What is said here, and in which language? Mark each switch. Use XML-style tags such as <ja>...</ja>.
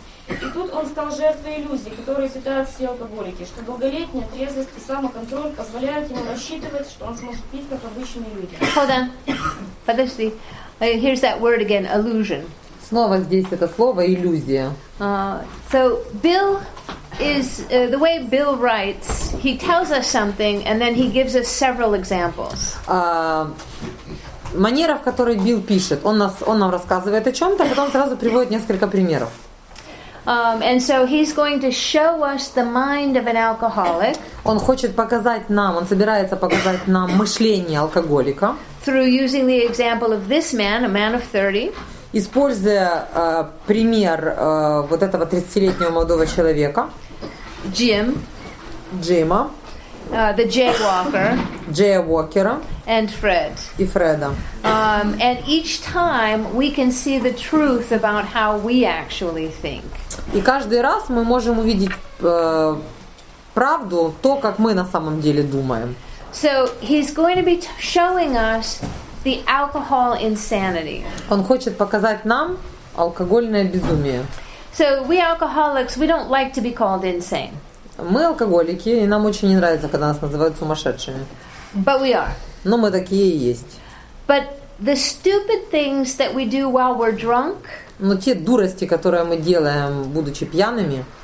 <ru>И тут он стал жертвой иллюзий, которые питают все алкоголики, что долголетняя трезвость и самоконтроль позволяют ему рассчитывать, что он сможет пить, как обычные люди.</ru> <en>Hold on.</en> <ru>Подожди.</ru> <en>Here's that word again, illusion.</en> <ru>Снова здесь это слово иллюзия.</ru> <en>So Bill is the way Bill writes. He tells us something, and then he gives us several examples.</en> <ru>Манера, в которой Билл пишет, он нам рассказывает о чем-то, а потом сразу приводит несколько примеров.</ru> <en>And so he's going to show us the mind of an alcoholic.</en> <ru>Он хочет показать нам, он собирается показать нам мышление алкоголика.</ru> <en>Through using the example of this man, a man of 30.</en> <ru>Используя пример вот этого 30-летнего молодого человека. Джима.</ru> <en>The Jaywalker.</en> <ru>Джейвокера.</ru> <en>And Fred.</en> <ru>И Фреда.</ru> <en>And each time we can see the truth about how we actually think.</en> <ru>И каждый раз мы можем увидеть правду, то, как мы на самом деле думаем.</ru> <en>So he's going to be showing us the alcohol insanity.</en> <ru>Он хочет показать нам алкогольное безумие.</ru> <en>So we alcoholics, we don't like to be called insane.</en> <ru>Мы алкоголики, и нам очень не нравится, когда нас называют сумасшедшими.</ru> <en>But we are.</en> <ru>Но мы такие и есть.</ru> <en>But the stupid things that we do while we're drunk.</en> <ru>Но те дурости, которые мы делаем, будучи пьяными.</ru>